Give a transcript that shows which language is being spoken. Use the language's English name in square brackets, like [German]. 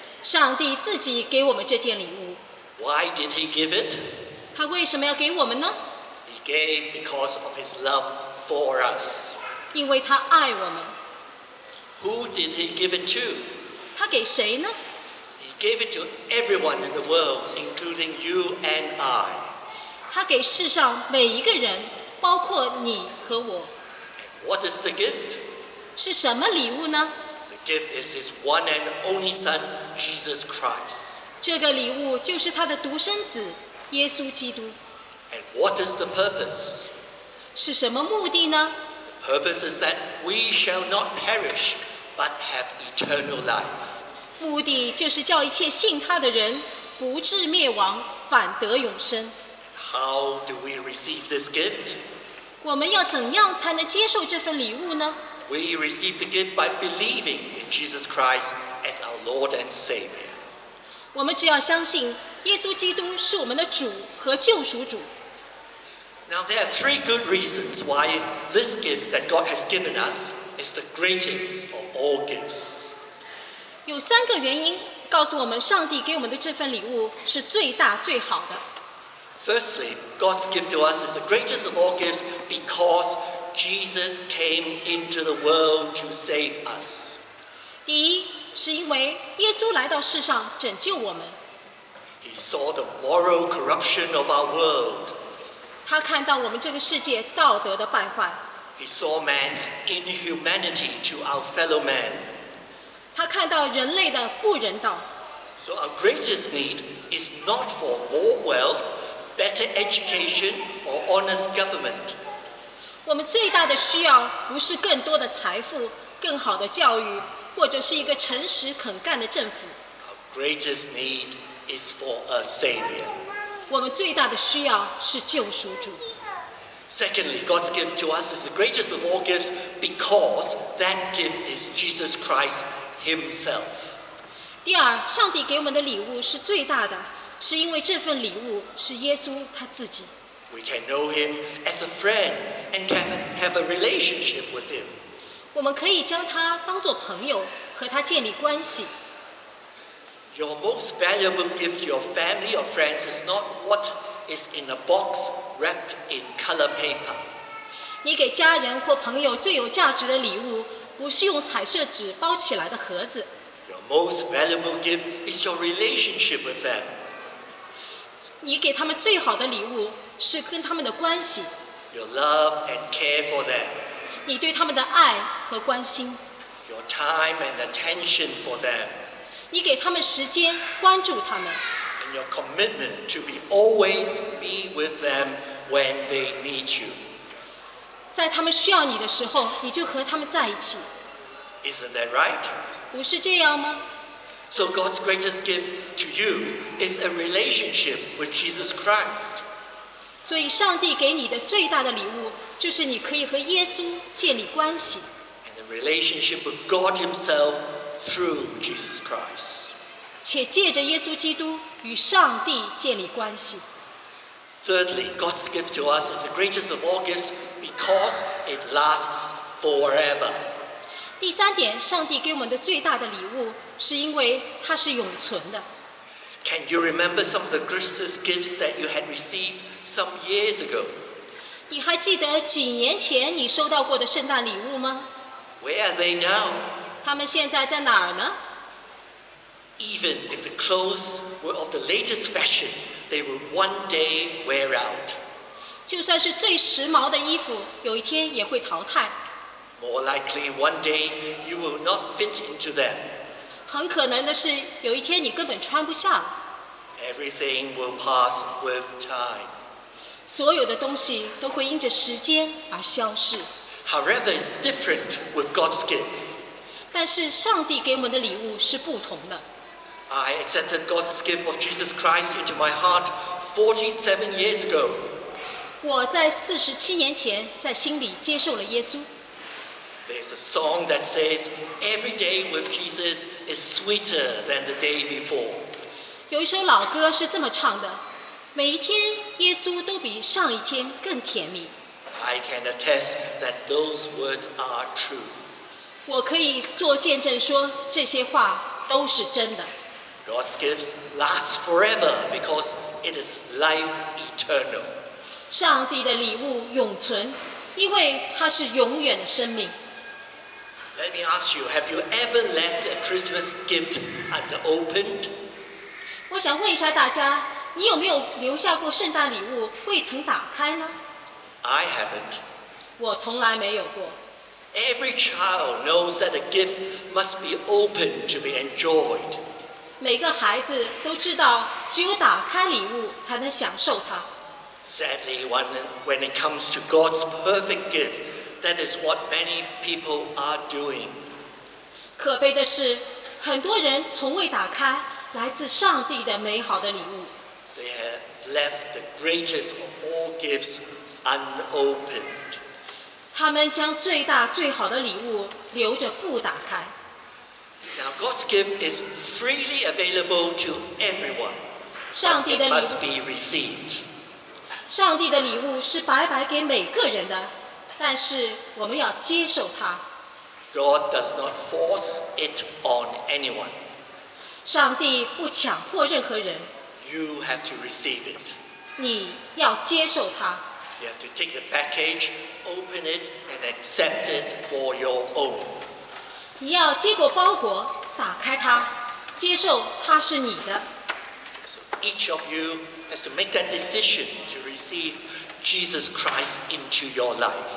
[Chinese] 上帝自己给我们这件礼物。 [English] Why did He give it? [Chinese] 他为什么要给我们呢？ [English] He gave because of His love for us. [Chinese] 因为他爱我们。 [English] Who did He give it to? [Chinese] 他给谁呢？ [English] He gave it to everyone in the world, including you and I. [Chinese] 他给世上每一个人，包括你和我。 [English] What is the gift? [Chinese] 是什么礼物呢？ [English] Gift is His one and only Son, Jesus Christ. [Chinese] 这个礼物就是他的独生子耶稣基督。 [English] And what is the purpose? [Chinese] 是什么目的呢？ [English] The purpose is that we shall not perish, but have eternal life. [Chinese] 目的就是叫一切信他的人不至灭亡，反得永生。 [English] How do we receive this gift? [Chinese] 我们要怎样才能接受这份礼物呢？ [English] We receive the gift by believing in Jesus Christ as our Lord and Savior. [Chinese] 我们只要相信耶稣基督是我们的主和救赎主。 [English] Now there are three good reasons why this gift that God has given us is the greatest of all gifts. [Chinese] 有三个原因告诉我们上帝给我们的这份礼物是最大最好的。 [English] Firstly, God's gift to us is the greatest of all gifts becauseJesus came into the world to save us. [Chinese] 第一，是因为耶稣来到世上拯救我们。 [English] He saw the moral corruption of our world. [Chinese] 他看到我们这个世界道德的败坏。 [English] He saw man's inhumanity to our fellow man. [Chinese] 他看到人类的不人道。 [English] So our greatest need is not for more wealth, better education, or honest government. [Chinese] 我们最大的需要不是更多的财富、更好的教育，或者是一个诚实肯干的政府。 [English] Our greatest need is for a savior. [Chinese] 我们最大的需要是救赎主。 [English] Secondly, God's gift to us is the greatest of all gifts because that gift is Jesus Christ Himself. [Chinese] 第二，上帝给我们的礼物是最大的，是因为这份礼物是耶稣他自己。 [English] We can know Him as a friend and can have a relationship with Him. [Chinese] 我们可以将他当作朋友，和他建立关系。 [English] Your most valuable gift to your family or friends is not what is in a box wrapped in color paper. [Chinese] 你给家人或朋友最有价值的礼物，不是用彩色纸包起来的盒子。 [English] Your most valuable gift is your relationship with them. [Chinese] 你给他们最好的礼物是跟他们的关系。 [English] Your love and care for them. [Chinese] 你对他们的爱和关心。 [English] Your time and attention for them. [Chinese] 你给他们时间关注他们。 [English] And your commitment to be always be with them when they need you. [Chinese] 在他们需要你的时候，你就和他们在一起。 [English] Isn't that right? [Chinese] 不是这样吗？ [English] So God's greatest gift to you is a relationship with Jesus Christ. [Chinese] 所以上帝给你的最大的礼物就是你可以和耶稣建立关系。 [English] And a relationship with God Himself through Jesus Christ. [Chinese] 且借着耶稣基督与上帝建立关系。 [English] Thirdly, God's gift to us is the greatest of all gifts because it lasts forever. [Chinese] 第三点，上帝给我们的最大的礼物是因为它是永存的。 [English] Can you remember some of the greatest gifts that you had received some years ago? [Chinese] 你还记得几年前你收到过的圣诞礼物吗？ [English] Where are they now? [Chinese] 他们现在在哪儿呢？ [English] Even if the clothes were of the latest fashion, they will one day wear out. [Chinese] 就算是最时髦的衣服，有一天也会淘汰。 [English] More likely, one day you will not fit into them. [Chinese] 很可能的是，有一天你根本穿不下。 [English] Everything will pass with time. [Chinese] 所有的东西都会因着时间而消逝。 [English] However, it's different with God's gift. [Chinese] 但是上帝给我们的礼物是不同的。 [English] I accepted God's gift of Jesus Christ into my heart 47 years ago. [Chinese] 我在47年前在心里接受了耶稣。 [English] There's a song that says, every day with Jesus is sweeter than the day before. [Chinese] 有一首老歌是这么唱的，每一天耶稣都比上一天更甜蜜。 [English] I can attest that those words are true. [Chinese] 我可以做见证说这些话都是真的。 [English] God's gifts last forever because it is life eternal. [Chinese] 上帝的礼物永存，因为它是永远的生命。 [English] Let me ask you, have you ever left a Christmas gift unopened? [Chinese] 我想问一下大家，你有没有留下过圣诞礼物未曾打开呢？ [English] I haven't. [Chinese] 我从来没有过。 [English] Every child knows that a gift must be opened to be enjoyed. [Chinese] 每个孩子都知道，只有打开礼物才能享受它。 [English] Sadly, when it comes to God's perfect gift,That is what many people are doing. [Chinese] 可悲的是，很多人从未打开来自上帝的美好的礼物。 [English] They have left the greatest of all gifts unopened. [Chinese] 他们将最大最好的礼物留着不打开。 [English] Now God's gift is freely available to everyone. [Chinese] 上帝的礼物 [English] must be received. [Chinese] 上帝的礼物是白白给每个人的。但是我们要接受它。 [English] God does not force it on anyone. [Chinese] 上帝不强迫任何人。 [English] You have to receive it. [Chinese] 你要接受它。 [English] You have to take the package, open it, and accept it for your own. [Chinese] 你要接过包裹，打开它，接受它是你的。 [English] So each of you has to make that decision to receive Jesus Christ into your life.